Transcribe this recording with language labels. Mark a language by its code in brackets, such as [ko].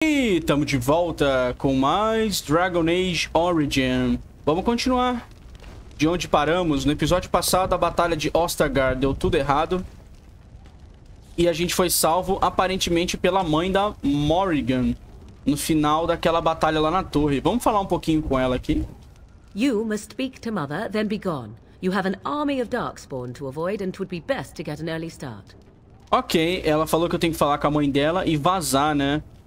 [pt] E estamos de volta com mais Dragon Age Origin. Vamos continuar de onde paramos. No episódio passado, a batalha de Ostagar deu tudo errado. E a gente foi salvo, aparentemente, pela mãe da Morrigan no final daquela batalha lá na torre. Vamos falar um pouquinho com ela aqui. [en] You must speak to mother, then be gone. You have an army of darkspawn to avoid, and 'twould be best to get an early start. [pt] Ok, ela falou que eu tenho que falar com a mãe dela e vazar, né?